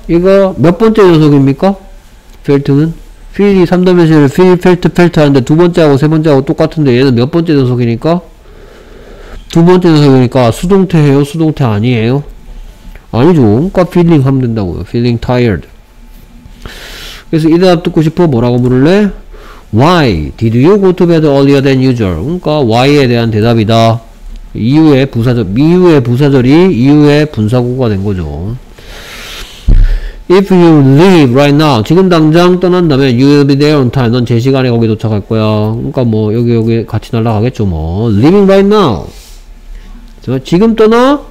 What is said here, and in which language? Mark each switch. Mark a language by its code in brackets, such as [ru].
[ko] 이거 몇 번째 녀석입니까? felt는 feel이 3단면식을 feel, felt, felt 하는데 두 번째하고 세 번째하고 똑같은데 얘는 몇 번째 녀석이니까? 두 번째 녀석이니까 수동태예요? 수동태 아니에요? 아니죠. 그러니까 feeling 하면 된다고요. [en] feeling tired. [ko] 그래서 이 대답 듣고 싶어? 뭐라고 물을래? [en] Why did you go to bed earlier than usual? [ko] 그러니까 why에 대한 대답이다. 이유의 부사절, 이유의 부사절이 이유의 분사구가 된 거죠. [en] If you leave right now, [ko] 지금 당장 떠난다면 [en] you will be there on time. [ko] 넌 제 시간에 거기 도착할 거야. 그러니까 뭐 여기 같이 날아가겠죠 뭐. [en] Leaving right now. [ko] 지금 떠나?